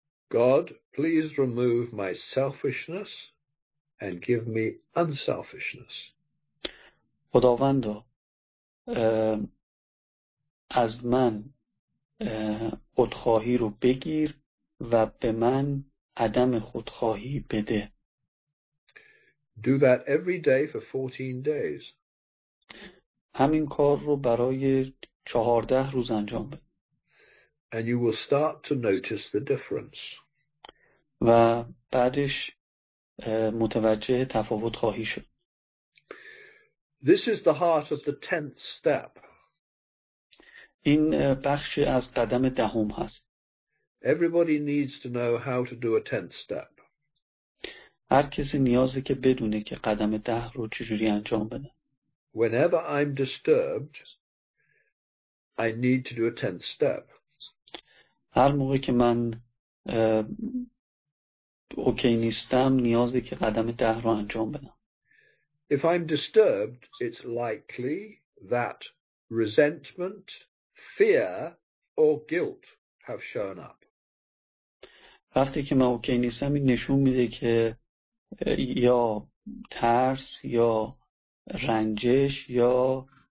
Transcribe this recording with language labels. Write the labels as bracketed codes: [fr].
[en] God, please remove my selfishness and give me unselfishness. [fa] خداوند از من خودخواهی رو بگیر و به من عدم خودخواهی بده. [en] Do that every day for 14 days. [fa] همین کار رو برای 14 روز انجام بده. [en] And you will start to notice the difference. [fa] و بعدش متوجه تفاوت خواهی شد. [en] This is the heart of the tenth step. [fa] این بخشی از قدم دهم هست. [en] Everybody needs to know how to do a tenth step. [fa] هر کسی نیازه که بدونه که قدم ده رو چجوری انجام بده. [en] Whenever I'm disturbed, I need to do a tenth step. [fa] هر موقع که من اوکی نیستم نیازه که قدم ده رو انجام بدم. [en] If I'm disturbed, it's likely that resentment, fear, or guilt have shown up. [fa] وقتی که من اوکی نیستم این نشون میده که یا ترس یا رنجش یا